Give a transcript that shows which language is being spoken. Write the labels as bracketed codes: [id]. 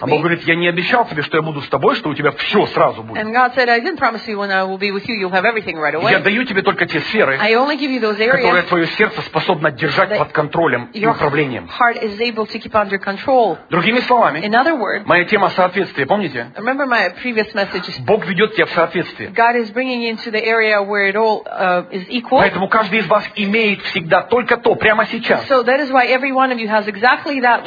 [ru] А Бог говорит, я не обещал тебе, что я буду с тобой, что у тебя все сразу будет. [en] And God said, I didn't promise you when I will be with you. You'll have everything right away. [ru] Я даю тебе только те сферы, [en] areas, [ru] которые твое сердце способно держать под контролем и управлением. [en] Heart is able to keep under control. [ru] Другими словами, [en] in other words, [ru] моя тема соответствия, помните? [en] Remember my previous message? [ru] Бог ведет тебя в соответствие. [en] God is bringing you into the area where it all is equal. [ru] Поэтому каждый из вас имеет всегда только то, прямо сейчас. [en] So that is why every one of you has exactly that.